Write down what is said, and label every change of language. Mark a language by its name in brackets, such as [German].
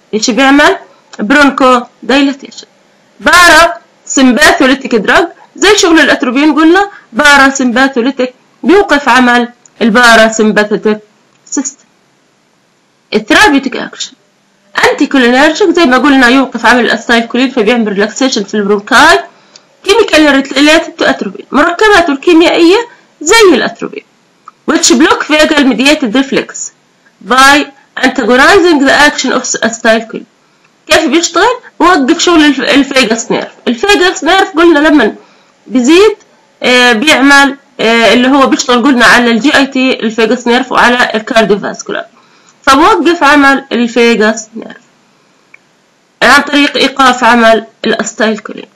[Arabic] ايش بيعمل؟ برونكو دايلاتيشن. بارا سيمباثوليتيك دراج زي شغل الاتروبين، قلنا بارا سيمباثوليتيك بيوقف عمل البارا سيمباثوليتيك سيستم. الثيرابيوتيك اكشن انتي كولينرجيك زي ما قلنا يوقف عمل الاستايل كولين فبيعمل ريلاكسيشن في البرونكاي. [English] chemical related to atropine, [Arabic] مركباته الكيميائيه زي الاتروبين. [English] Which block vagal mediated reflex by antagonizing the action of acetylcholine. [Arabic] كيف بيشتغل؟ بوقف شغل الفيجاس نيرف. الفيجاس نيرف قلنا لما بيزيد بيعمل اللي هو بيشتغل، قلنا على الجي اي تي الفيجاس نيرف وعلى الكارديوفاسكولار، فبوقف عمل الفيجاس نيرف عن طريق ايقاف عمل الاستايلكولين.